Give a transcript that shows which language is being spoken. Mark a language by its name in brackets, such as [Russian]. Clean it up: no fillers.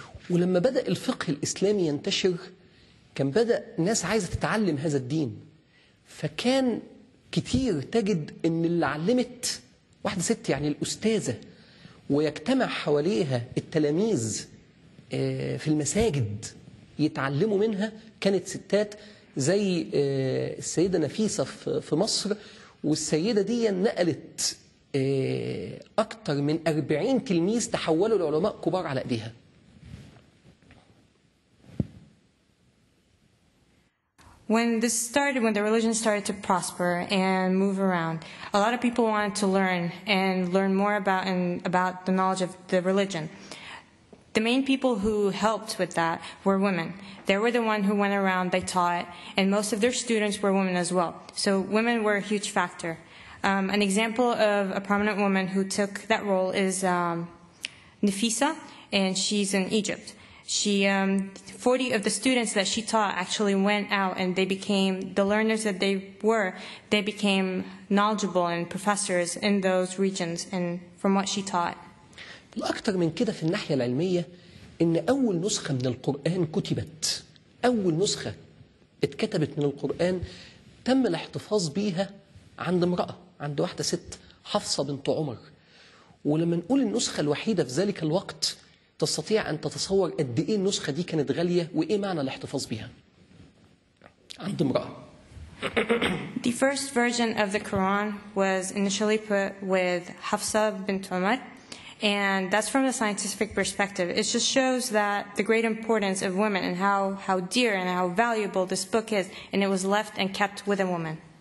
[Arabic] ولما بدأ الفقه الإسلامي ينتشر، كان بدأ ناس عايزة تتعلم هذا الدين، فكان كتير تجد أن اللي علمت واحدة ست يعني الأستاذة ويجتمع حواليها التلاميذ في المساجد يتعلموا منها كانت ستات زي السيدة نفيسة في مصر. والسيدة دي نقلت أكتر من 40 تلميذ تحولوا لعلماء كبار على أيديها. [English] When this started, when the religion started to prosper and move around, a lot of people wanted to learn and learn more about and about the knowledge of the religion. The main people who helped with that were women. They were the ones who went around, they taught, and most of their students were women as well. So women were a huge factor. An example of a prominent woman who took that role is Nafisa, and she's in Egypt. She, 40 of the students that she taught actually went out and they became, the learners that they were, they became knowledgeable and professors in those regions and from what she taught. [Arabic] أكتر من كده في الناحية العلمية إن أول نسخة من القرآن كتبت، أول نسخة اتكتبت من القرآن تم الاحتفاظ بيها عند امرأة، عند واحدة ست، حفصة بنت عمر. ولما نقول النسخة الوحيدة في ذلك الوقت تستطيع أن تتصور قد إيه النسخة دي كانت غالية وإيه معنى الاحتفاظ بها عند امرأة. [English] The first version of the Quran was initially put with Hafsa bint Umar, and that's from the scientific perspective. It just shows that the great importance of women and how dear and how valuable this book is, and it was left and kept with a woman.